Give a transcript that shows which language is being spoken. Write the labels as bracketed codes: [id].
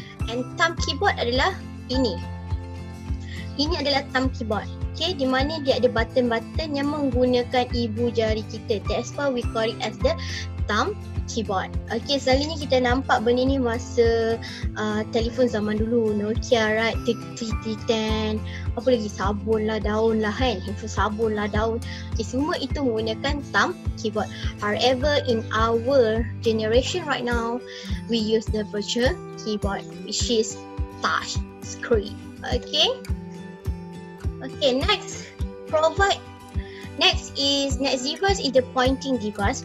[ms] And thumb keyboard adalah ini. Ini adalah thumb keyboard. Okay, di mana dia ada button-button yang menggunakan ibu jari kita. [en] That's why we call it as the thumb keyboard. [ms] Okay, selalunya kita nampak benda ni masa telefon zaman dulu. Nokia, right? T10. Apa lagi? Sabun lah, daun lah kan? Handphone sabun lah, daun. Okay, semua itu menggunakan thumb keyboard. [en] However, in our generation right now, we use the virtual keyboard, which is touch screen. Okay? Okay, next device is the pointing device.